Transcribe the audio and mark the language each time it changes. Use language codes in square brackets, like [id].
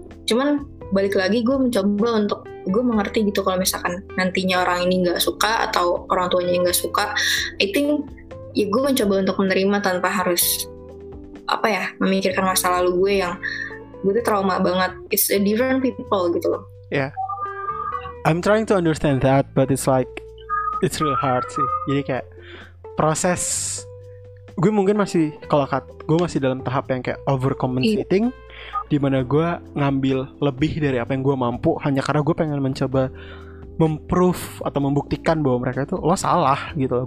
[id] Cuman balik lagi gue mencoba untuk gue mengerti gitu, kalau misalkan nantinya orang ini gak suka atau orang tuanya yang gak suka, [en] I think [id] ya gue mencoba untuk menerima tanpa harus apa ya, memikirkan masa lalu gue yang gue tuh trauma banget. [en] It's a different people [id] gitu loh. [en] Yeah, I'm trying to understand that, but it's like it's really hard [id] sih. Jadi kayak proses gue mungkin masih, kalau gue masih dalam tahap yang kayak overcompensating, di mana gue ngambil lebih dari apa yang gue mampu hanya karena gue pengen mencoba memproof atau membuktikan bahwa mereka itu lo salah gitu.